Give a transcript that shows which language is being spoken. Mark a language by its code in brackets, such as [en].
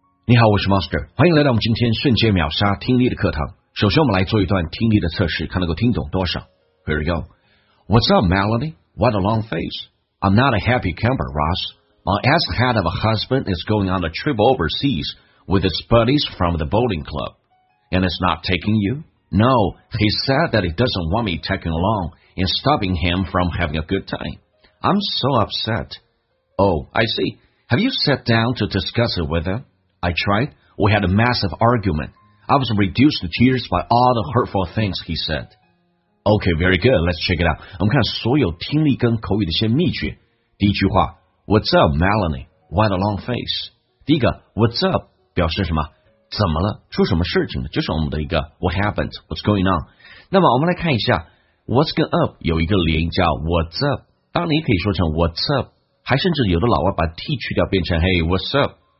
[zh] 你好，我是 Monster， 欢迎来到我们今天瞬间秒杀听力的课堂。首先我们来做一段听力的测试，看能够听懂多少。 [en] Here we go. What's up, Melody? What a long face. I'm not a happy camper, Ross. My ex-head of a husband is going on a trip overseas with his buddies from the bowling club. And it's not taking you? No, he said that he doesn't want me tagging along and stopping him from having a good time. I'm so upset. Oh, I see. Have you sat down to discuss it with him? I tried. We had a massive argument. I was reduced to tears by all the hurtful things he said. Okay, very good. Let's check it out. [zh] 我们看所有听力跟口语的一些秘诀。第一句话 [en] What's up, Melanie? What a long face. [zh] 第一个 [en] What's up [zh] 表示什么？怎么了？出什么事情了？就是我们的一个 [en] What happened? What's going on? [zh] 那么我们来看一下 [en] What's going up [zh] 有一个连叫 [en] What's up? [zh] 当然你可以说成 [en] What's up? [zh] 还甚至有的老外把 T 去掉变成 [en] Hey, what's up?